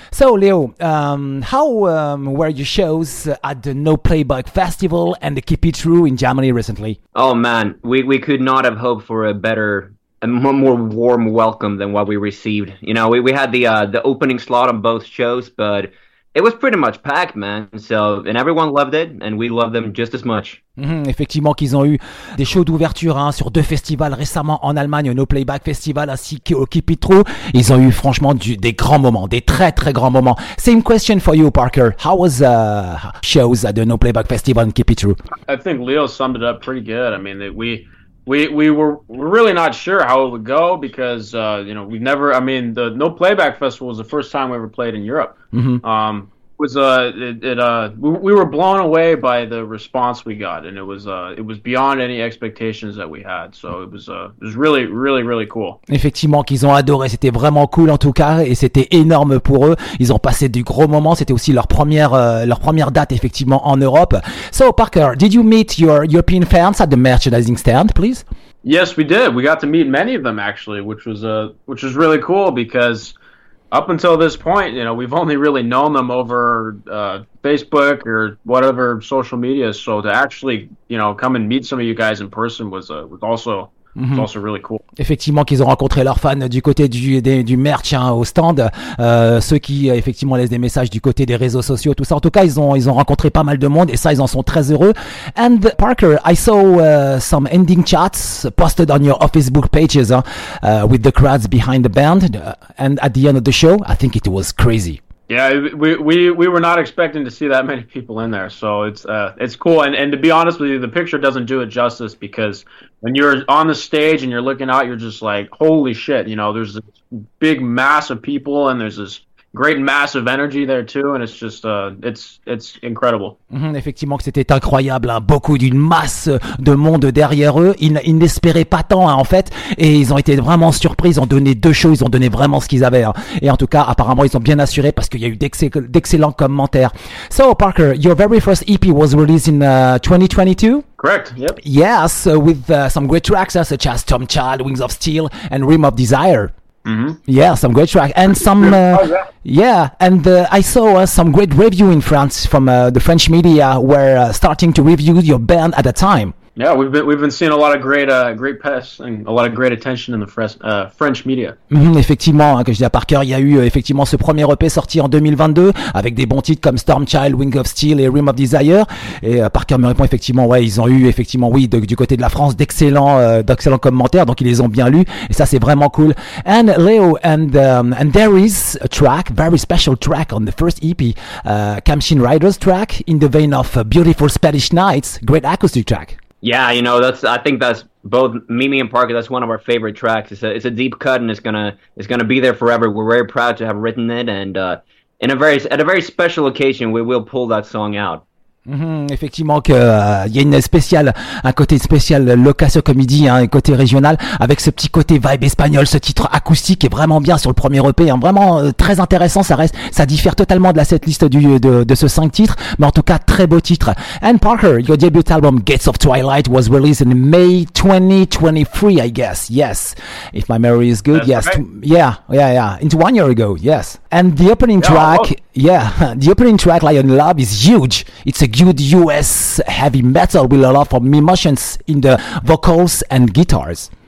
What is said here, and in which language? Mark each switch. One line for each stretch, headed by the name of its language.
English: So, Leo, how were your shows at the No Playback Festival and the Keep It True in Germany recently? Oh, man, we could not have hoped for a better, a more warm welcome than what we received. You know, we had the opening slot on both shows, but it was pretty much packed, man. So, and everyone loved it, and we loved them just as much.
French: Mm-hmm, effectivement qu'ils ont eu des shows d'ouverture, hein, sur deux festivals récemment en Allemagne, au No Playback Festival ainsi qu'au Keep It True. Ils ont eu franchement des grands moments, des très très grands moments.
English: Same question for you, Parker. How was the shows at the No Playback Festival and Keep It True? I think Leo summed it up pretty good. I mean, we were really not sure how it would go because, you know, we've never, I mean, the No Playback Festival was the first time we ever played in Europe. Mm-hmm. We were blown away by the response we got, and it was beyond any expectations that we had. So it was really, really, really cool.
French: Effectivement, qu'ils ont adoré. C'était vraiment cool en tout cas, et c'était énorme pour eux. Ils ont passé du gros moment. C'était aussi leur première date effectivement en Europe.
English: So Parker, did you meet your European fans at the merchandising stand, please? Yes, we did. We got to meet many of them actually, which was really cool because. Up until this point, you know, we've only really known them over Facebook or whatever social media. So to actually, you know, come and meet some of you guys in person was also mm-hmm. was also really cool.
French: Effectivement, qu'ils ont rencontré leurs fans du côté du merch hein, au stand, ceux qui effectivement laissent des messages du côté des réseaux sociaux, tout ça. En tout cas, ils ont rencontré pas mal de monde et ça, ils en sont très heureux.
English: And Parker, I saw some ending chats posted on your Facebook pages with the crowds behind the band and at the end of the show, I think it was crazy. Yeah, we were not expecting to see that many people in there, so it's cool. And to be honest with you, the picture doesn't do it justice because when you're on the stage and you're looking out, you're just like, holy shit, you know, there's this big mass of people and there's this great massive energy there too, and it's just it's incredible.
French: Mm-hmm, effectivement que c'était incroyable, hein, beaucoup d'une masse de monde derrière eux. Ils n'espéraient pas tant hein, en fait, et ils ont été vraiment surpris. Ils ont donné deux shows, ils ont donné vraiment ce qu'ils avaient. Hein. Et en tout cas, apparemment, ils ont bien assuré parce qu'il y a eu d'excellents commentaires.
English: So Parker, your very first EP was released in 2022. Correct. Yep. Yes, with some great tracks such as Tom Child, Wings of Steel, and Rim of Desire. Mm-hmm. Yeah, some great track and some I saw some great review in France from the French media were starting to review your band at the time. Yeah, we've been seeing a lot of great press and a lot of great attention in the French media.
French: Mm-hmm, effectivement, hein, que je dis à Parker, il y a eu effectivement ce premier EP sorti en 2022 avec des bons titres comme Stormchild, Wing of Steel et Rim of Desire. Et Parker me répond effectivement, ouais, ils ont eu effectivement, oui, du côté de la France, d'excellents commentaires, donc ils les ont bien lus. Et ça, c'est vraiment cool.
English: And Leo, and there is a track, very special track on the first EP, Kamshin Rider's track, in the vein of Beautiful Spanish Nights, great acoustic track. Yeah, you know, I think that's both Mimi and Parker, that's one of our favorite tracks. It's a deep cut and it's gonna be there forever. We're very proud to have written it and at a very special occasion we will pull that song out.
French: Mm-hmm, effectivement que y a une spéciale un côté spécial location comme il dit hein, un côté régional avec ce petit côté vibe espagnol, ce titre acoustique est vraiment bien sur le premier EP hein, vraiment très intéressant. Ça diffère totalement de la setlist de ce 5 titres, mais en tout cas très beau titre.
English: And Parker, your debut album Gates of Twilight was released in May 2023, I guess. Yes, if my memory is good. That's yes, right. Into 1 year ago. Yes, and the opening track. Well. Yeah, the opening track Lion Love is huge. It's a good US heavy metal with a lot of emotions in the vocals and guitars.